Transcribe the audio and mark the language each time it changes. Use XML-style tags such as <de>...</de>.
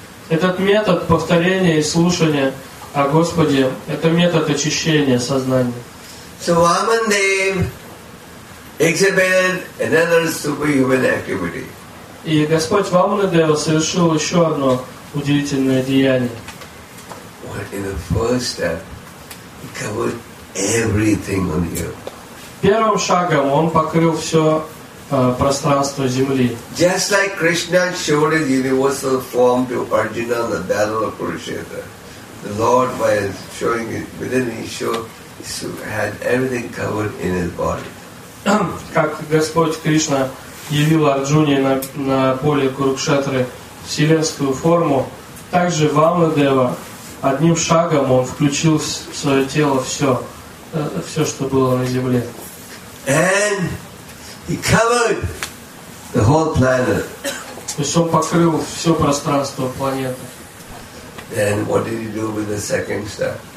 <ru>Этот метод повторения и слушания о Господе — это метод очищения сознания.</ru> <en>So Vaman Dev exhibited another superhuman activity.</en> <ru>И Господь Вамана Дева совершил еще одно удивительное деяние.</ru> <en>What in the first step, he covered everything on earth.</en> <ru>Первым шагом он покрыл все пространство земли.</ru> <en>Just like Krishna showed his universal form to Arjuna in the battle of Kurukshetra, the Lord by showing it within his show. Had everything covered in his body.</en> <ru>Как Господь Кришна явил Арджуне на поле Курукшетры вселенскую форму, так же Вамана Дева одним шагом он включил в свое тело все, что было на земле.</ru> <en>And he covered the whole planet.</en> <ru>То есть он покрыл все пространство планеты.</ru> <en>Then what did he do with the second step?</en>